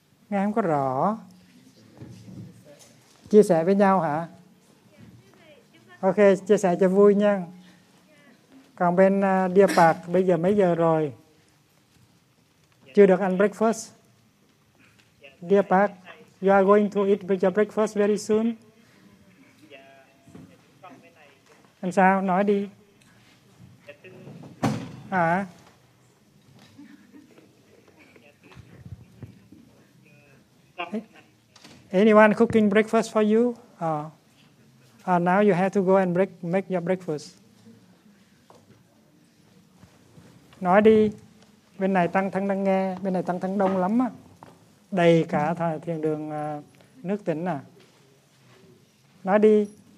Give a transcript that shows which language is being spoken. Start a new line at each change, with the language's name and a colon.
Vietnamese: Nghe không có rõ. Chia sẻ với nhau hả? Ok, chia sẻ cho vui nha. Còn bên Dear Park, bây giờ mấy giờ rồi? Chưa được ăn breakfast?
English: Dear Park, you are going to eat with your breakfast very soon?
Vietnamese: Làm sao? Nói đi. Hả? À.
English: Anyone cooking breakfast for you? Now you have to go and make your breakfast.
Vietnamese: Nói đi, bên này tăng thân đang nghe, bên này tăng thân đông lắm á, đầy cả thiền đường nước tỉnh à. Nói đi.